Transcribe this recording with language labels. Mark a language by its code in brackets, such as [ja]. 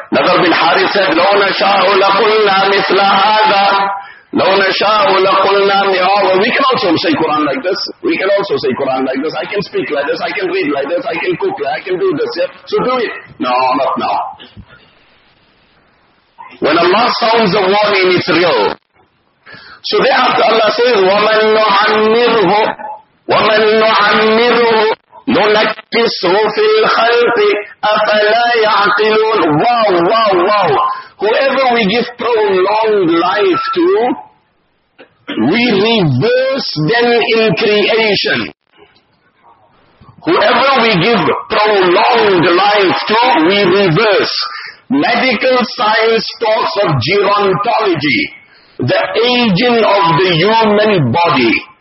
[en] Nadar bin Harith said, [ar] لَوْ نَشَاءُ لَقُلْنَا مِثْلَ هَذَا لَوْ نَشَاءُ لَقُلْنَا مِعَوَى. [en] We can also say Quran like this. We can also say Quran like this. I can speak like this. I can read like this. I can cook like this. I can do this. Yeah? So do it. No, not now. When Allah sounds a warning, it's real. So thereafter Allah says, [ar] وَمَن نُعَمِّرْهُ وَمَن نُعَمِّرْهُ نُنَكِّسْهُ فِي الْخَلْقِ أَفَلَا يَعْقِلُونَ. [en] Wow, wow, wow. Whoever we give prolonged life to, we reverse them in creation. Whoever we give prolonged life to, we reverse. Medical science talks of gerontology, the aging of the human body.